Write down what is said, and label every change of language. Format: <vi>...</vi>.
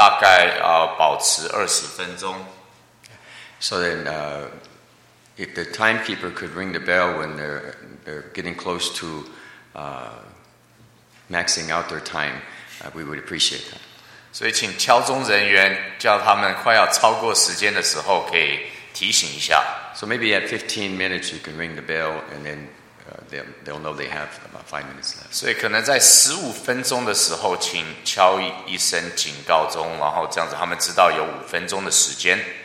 <zh>所以我请求要见证的弟兄姐妹可以就是大概保持20分钟。</zh> <en>So then, if the timekeeper could ring the bell when they're getting close to maxing out their time, we would appreciate that.</en> <zh>所以请敲钟人员叫他们快要超过时间的时候，可以提醒一下。</zh> <en>So maybe at 15 minutes, you can ring the bell, and then they'll know they have about 5 minutes left.</en> <zh>所以可能在15分钟的时候，请敲一声警告钟，然后这样子他们知道有5分钟的时间。</zh>